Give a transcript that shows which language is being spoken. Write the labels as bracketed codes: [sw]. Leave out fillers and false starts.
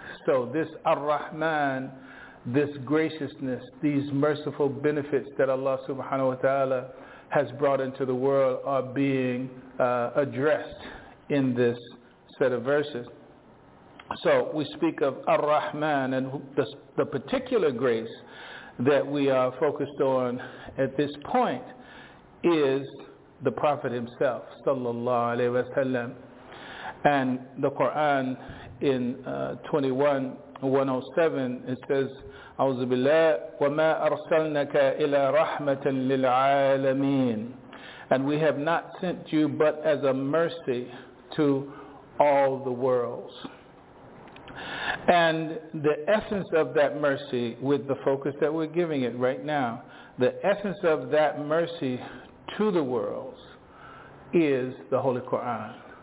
[en] So this Ar-Rahman, this graciousness, these merciful benefits that Allah subhanahu wa ta'ala has brought into the world are being addressed in this set of verses. So we speak of Ar-Rahman, and the particular grace that we are focused on at this point is the Prophet himself, sallallahu alayhi wa sallam. And the Quran in 21:107, it says, [ar] أعوذ بالله وما أرسلناك إلى رحمة للعالمين. [en] And we have not sent you but as a mercy to all the worlds. And the essence of that mercy, with the focus that we're giving it right now, the essence of that mercy to the worlds is the Holy Quran.